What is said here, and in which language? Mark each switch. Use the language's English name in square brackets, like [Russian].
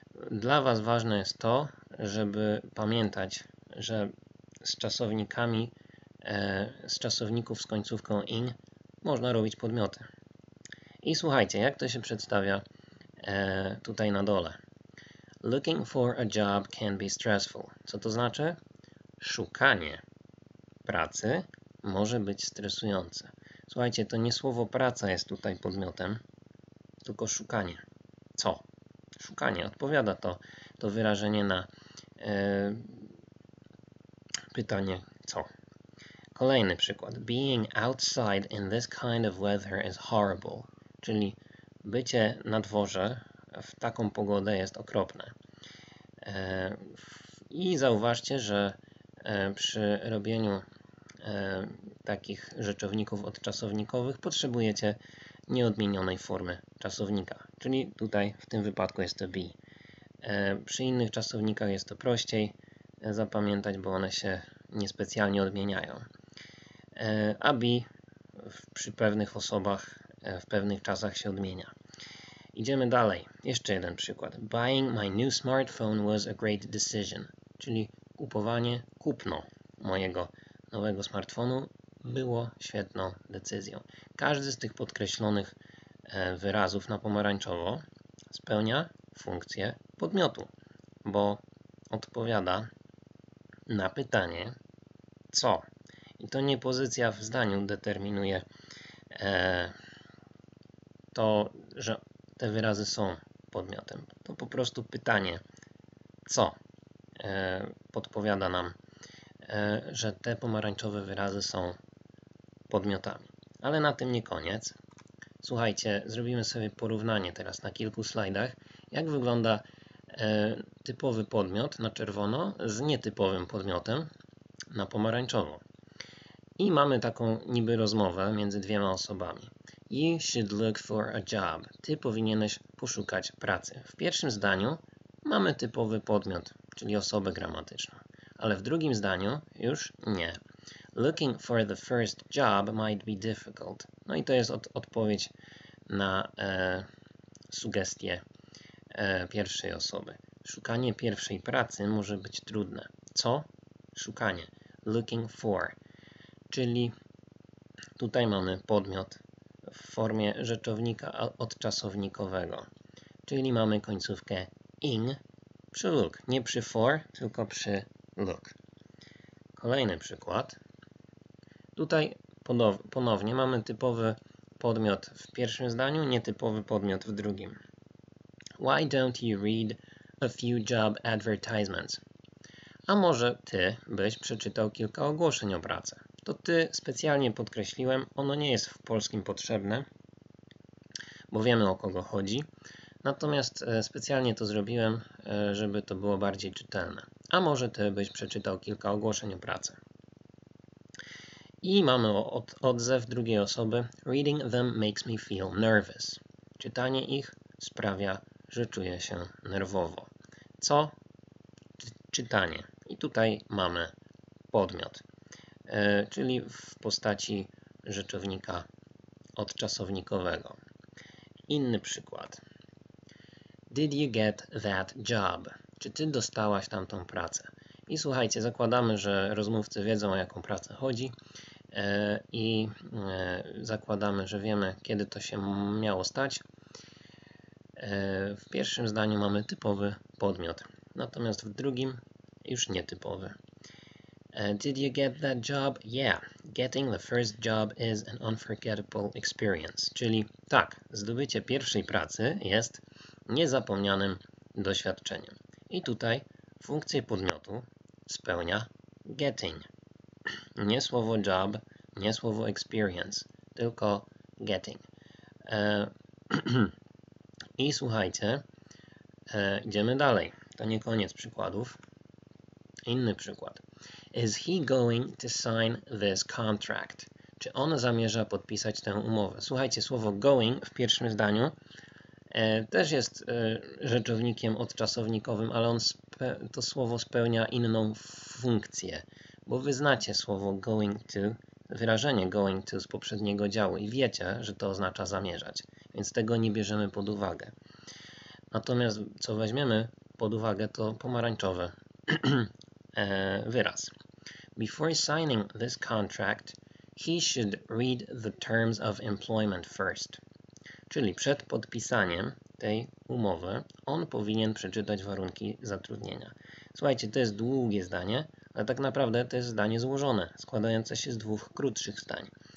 [Polish] Dla was ważne jest to, żeby pamiętać, że z czasownikami, z czasowników z końcówką -ing można robić podmioty. I słuchajcie, jak to się przedstawia tutaj na dole. [English] Looking for a job can be stressful. [Polish] Co to znaczy? Szukanie pracy może być stresujące. Słuchajcie, to nie słowo praca jest tutaj podmiotem, tylko szukanie. Co? Szukanie. Odpowiada to wyrażenie na pytanie co. Kolejny przykład. [English] Being outside in this kind of weather is horrible. [Polish] Czyli bycie na dworze w taką pogodę jest okropne. I zauważcie, że przy robieniu takich rzeczowników odczasownikowych potrzebujecie nieodmienionej formy czasownika. Czyli tutaj w tym wypadku jest to be. Przy innych czasownikach jest to prościej zapamiętać, bo one się niespecjalnie odmieniają. A be przy pewnych osobach w pewnych czasach się odmienia. Idziemy dalej. Jeszcze jeden przykład. [English] Buying my new smartphone was a great decision. [Polish] Czyli kupno mojego nowego smartfonu było świetną decyzją. Każdy z tych podkreślonych wyrazów na pomarańczowo spełnia funkcję podmiotu, bo odpowiada na pytanie co. I to nie pozycja w zdaniu determinuje to, że te wyrazy są podmiotem. To po prostu pytanie, co podpowiada nam, że te pomarańczowe wyrazy są podmiotami. Ale na tym nie koniec. Słuchajcie, zrobimy sobie porównanie teraz na kilku slajdach, jak wygląda typowy podmiot na czerwono z nietypowym podmiotem na pomarańczowo. I mamy taką niby rozmowę między dwiema osobami. [English] You should look for a job. [Polish] Ty powinieneś poszukać pracy. W pierwszym zdaniu mamy typowy podmiot, czyli osobę gramatyczną. Ale w drugim zdaniu już nie. [English] Looking for the first job might be difficult. [Polish] No i to jest odpowiedź na sugestie pierwszej osoby. Szukanie pierwszej pracy może być trudne. Co? Szukanie. [English] Looking for. [Polish] Czyli tutaj mamy podmiot w formie rzeczownika odczasownikowego. Czyli mamy końcówkę -ing przy look. Nie przy for, tylko przy look. Kolejny przykład. Tutaj ponownie mamy typowy podmiot w pierwszym zdaniu, nietypowy podmiot w drugim. [English] Why don't you read a few job advertisements? [Polish] A może ty byś przeczytał kilka ogłoszeń o pracę? To ty specjalnie podkreśliłem, ono nie jest w polskim potrzebne, bo wiemy o kogo chodzi. Natomiast specjalnie to zrobiłem, żeby to było bardziej czytelne. A może ty byś przeczytał kilka ogłoszeń o pracę? I mamy odzew drugiej osoby. [English] Reading them makes me feel nervous. [Polish] Czytanie ich sprawia, że czuję się nerwowo. Co? Czytanie. I tutaj mamy podmiot. czyli w postaci rzeczownika odczasownikowego. Inny przykład. [English] Did you get that job? [Polish] Czy ty dostałaś tamtą pracę? I słuchajcie, zakładamy, że rozmówcy wiedzą, o jaką pracę chodzi i zakładamy, że wiemy, kiedy to się miało stać. W pierwszym zdaniu mamy typowy podmiot, natomiast w drugim już nietypowy. [English] Did you get that job? Yeah, getting the first job is an unforgettable experience. [Polish] Czyli tak, zdobycie pierwszej pracy jest niezapomnianym doświadczeniem. I tutaj funkcję podmiotu spełnia getting. Nie słowo job, nie słowo experience, tylko getting. I słuchajcie, idziemy dalej. To nie koniec przykładów. Inny przykład. [English] Is he going to sign this contract? [Polish] Czy on zamierza podpisać tę umowę? Słuchajcie, słowo going w pierwszym zdaniu też jest rzeczownikiem odczasownikowym, ale on to słowo spełnia inną funkcję, bo wy znacie słowo going to, wyrażenie going to z poprzedniego działu i wiecie, że to oznacza zamierzać, więc tego nie bierzemy pod uwagę. Natomiast co weźmiemy pod uwagę, to pomarańczowy wyraz. [English] Before signing this contract, he should read the terms of employment first. [Polish] Czyli przed podpisaniem tej umowy on powinien przeczytać warunki zatrudnienia. Słuchajcie, to jest długie zdanie, ale tak naprawdę to jest zdanie złożone, składające się z dwóch krótszych zdań.